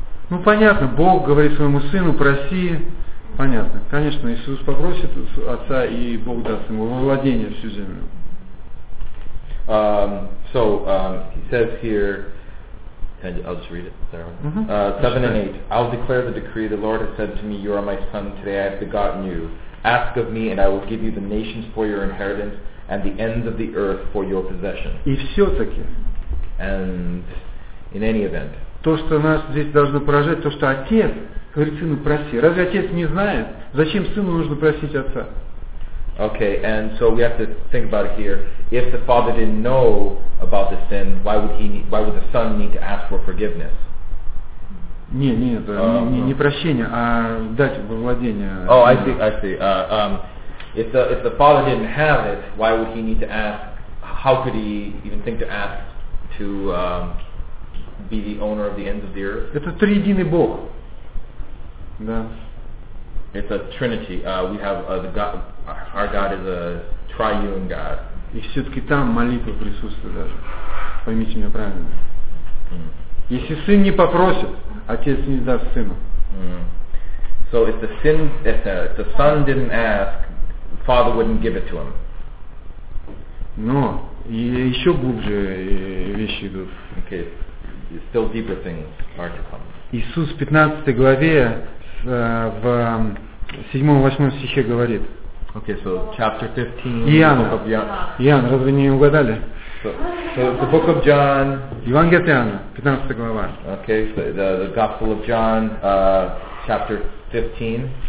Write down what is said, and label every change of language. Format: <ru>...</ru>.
<ru>Ну, понятно, Бог говорит своему сыну, проси, понятно. Конечно, Иисус попросит отца, и Бог даст ему во владение всю землю.</ru> <en>He says here, and I'll just read it, Sarah. Mm-hmm. 7 and 8. I'll declare the decree. The Lord has said to me, you are my son, today I have begotten you. Ask of me, and I will give you the nations for your inheritance, and the ends of the earth for your possession.</en> <ru>И все-таки.</ru> <en>And in any event.</en> <ru>То, что нас здесь должно поражать, то, что отец говорит сыну проси. Разве отец не знает, зачем сыну нужно просить отца?</ru> <en>Okay, and so we have to think about it here. If the father didn't know about the sin, why would the son need to ask for forgiveness?</en> <ru>Не прощение, а дать во владение.</ru> <en>Oh, I see. If the father didn't have it, why would he need to ask? How could he even think to ask to be the owner of the ends of the earth?</en> <ru>Это триединый Бог. Да.</ru> <en>It's a Trinity. We have the God. Our God is a triune God.</en> <ru>И все-таки там молитва присутствует даже. Поймите меня правильно. Если сын не попросит, отец не даст сыну.</ru> <en>So if the son didn't ask, Father wouldn't give it to him.</en> <ru>Но еще глубже вещи идут.</ru> <en>Okay. Still deeper things are to come.</en> <ru>Иисус в 15 главе в 7-8 стихе говорит.</ru> <en>Okay, so chapter 15.</en> <ru>Иоанн. Иоанн, разве не угадали?</ru> <en>So the book of John.</en> <ru>Евангелие от Иоанна, 15 глава.</ru> <en>Okay, so the Gospel of John, chapter 15.</en>